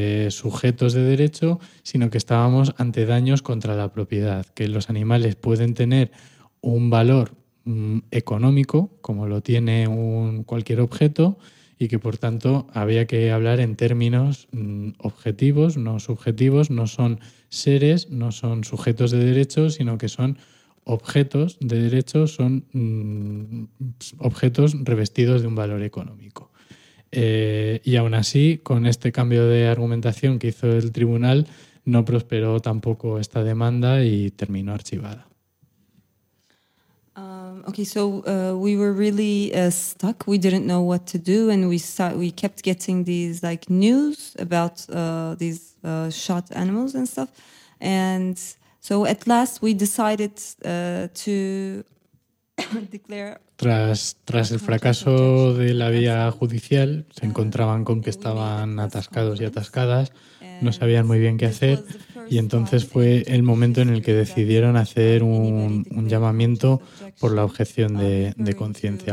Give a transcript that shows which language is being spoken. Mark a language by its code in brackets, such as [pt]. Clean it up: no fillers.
[es] sujetos de derecho, sino que estábamos ante daños contra la propiedad, que los animales pueden tener un valor económico, como lo tiene cualquier objeto, y que por tanto había que hablar en términos objetivos, no subjetivos, no son seres, no son sujetos de derecho, sino que son objetos de derecho, son objetos revestidos de un valor económico. Y aún así, con este cambio de argumentación que hizo el tribunal, no prosperó tampoco esta demanda y terminó archivada. [en] Okay, so we were really stuck. We didn't know what to do, and we kept getting these like news about these shot animals and stuff. And so at last we decided to declare. [es] Tras el fracaso de la vía judicial, se encontraban con que estaban atascados y atascadas, no sabían muy bien qué hacer, y entonces fue el momento en el que decidieron hacer un llamamiento por la objeción de conciencia.